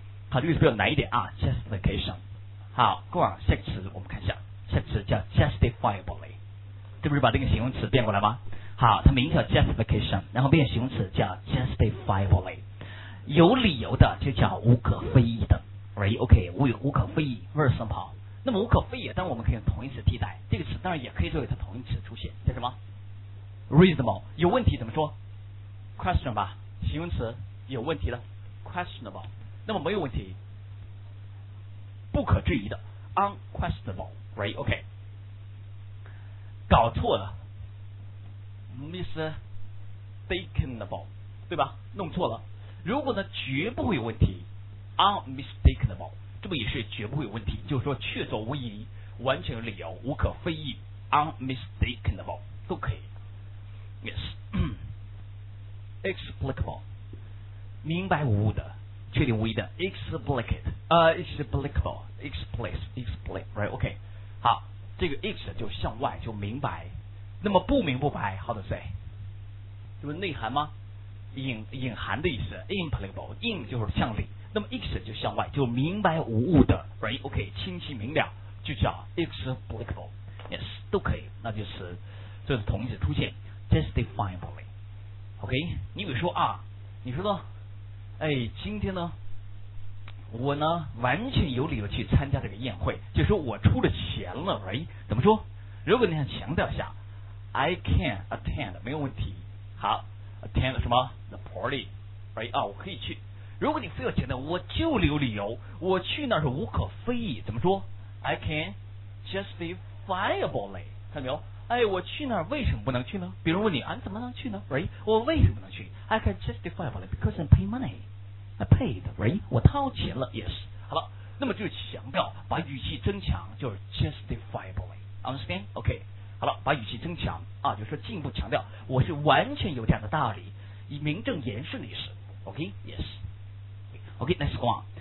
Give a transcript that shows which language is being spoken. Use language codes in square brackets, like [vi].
[zh] 好，这个词比较难一点啊 ，justification。好，过往下个词我们看一下。这词叫 justifiably， 这不是把这个形容词变过来吗？好，它名叫 justification， 然后变形容词叫 justifiably， 有理由的就叫无可非议的 ，right？ OK， 无可非议 ，very simple。那么无可非议，当然我们可以用同义词替代，这个词当然也可以作为它同义词出现，叫什么 ？reasonable， 有问题怎么说 ？question 吧，形容词有问题的 questionable， 那么没有问题，不可置疑的 unquestionable。 Right, OK， 搞错了 ，mistakenable， 对吧？弄错了。如果呢，绝不会有问题 ，unmistakenable， 这不也是绝不会有问题？就是说，确凿无疑，完全有理由，无可非议 ，unmistakenable 都可以。 Yes， explicable， 明白无误的，确定无疑的 ，explicate， explicable，explain， right, OK。好，这个 ex 就向外就明白，那么不明不白 ，how to say， 就是内涵吗？隐含的意思 ，implicable，in 就是向里，那么 ex 就向外就明白无误的 ，right？OK，、okay, 清晰明了，就叫 explicable，yes 都可以，那就是这、就是同义词出现 ，justifiably，OK？、Okay? 你比如说啊，你说呢？哎，今天呢？我呢完全有理由去参加这个宴会，就说我出了钱了 ，right？ 怎么说？如果你想强调一下 ，I can attend 没有问题。好 ，attend 什么 ？The party，right？ 啊，我可以去。如果你非要强调，我就有理由，我去那是无可非议。怎么说 ？ [en] I can justifiably， [zh] 看到没有？哎，我去那为什么不能去呢？比如问你，啊，怎么能去呢 ？right？我为什么能去 [en] ？I can justifiably because I pay money。 I paid, right? [zh] 我掏钱了 [en] ，yes。 [zh] 好了，那么就强调，把语气增强，就是 justifiably, understand? [en] OK。 [zh] 好了，把语气增强啊，就是说进一步强调，我是完全有这样的道理，以名正言顺的意思。OK, yes。 [en] OK, next one。